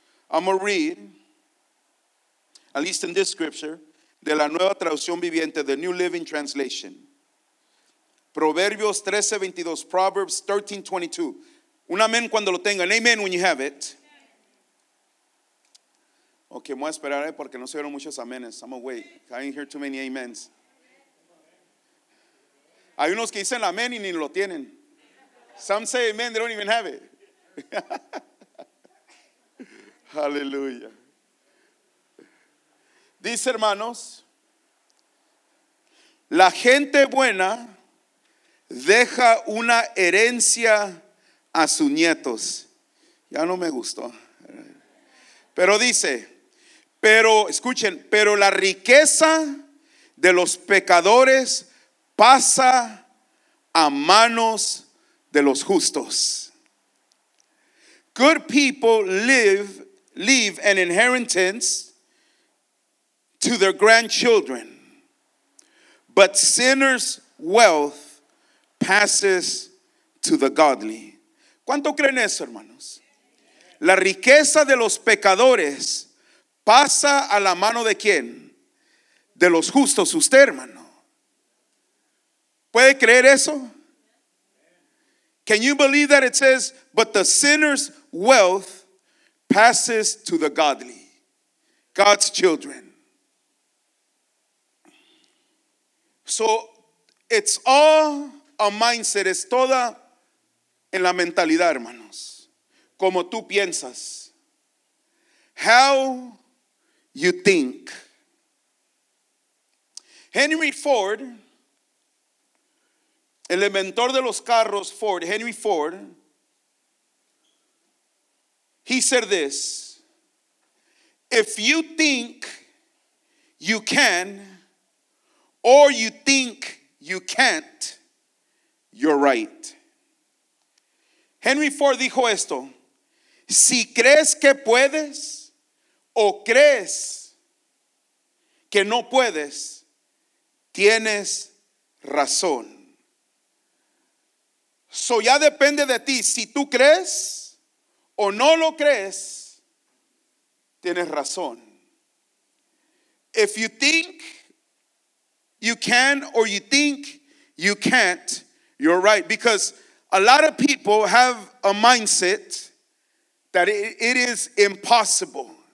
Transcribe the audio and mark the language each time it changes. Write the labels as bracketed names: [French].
[English] I'm going to read, at least in this scripture, [Spanish] de la Nueva Traducción Viviente, [English] the New Living Translation. [Spanish] Proverbios 13:22, Proverbs 13:22. Un amén cuando lo tengan. [English] Amen when you have it. [Spanish] Okay, voy a esperar porque no se vieron muchos amenes. [English] I'm going to wait. I didn't hear too many amens. [Spanish] Hay unos que dicen amén y ni lo tienen. [English] Some say amen, they don't even have it. Hallelujah. [Spanish] Dice, hermanos, la gente buena deja una herencia a sus nietos. Ya no me gustó. Pero dice, pero escuchen, pero la riqueza de los pecadores pasa a manos de los justos. [English] Good people leave an inheritance to their grandchildren, but sinners' wealth passes to the godly. [Spanish] ¿Cuánto creen eso, hermanos? La riqueza de los pecadores pasa a la mano de quién? De los justos. Usted, hermano, ¿puede creer eso? [English] Can you believe that it says, but the sinner's wealth passes to the godly, God's children. So it's all a mindset, [Spanish] es toda en la mentalidad, hermanos. Como tú piensas. [English] How you think. Henry Ford, [Spanish] el inventor de los carros, [English] Ford, Henry Ford, he said this: if you think you can, or you think you can't, you're right. [Spanish] Henry Ford dijo esto: si crees que puedes, o crees que no puedes, tienes razón. So ya depende de ti, si tú crees o no lo crees, tienes razón. [English] If you think you can or you think you can't, you're right. Because a lot of people have a mindset that it is impossible.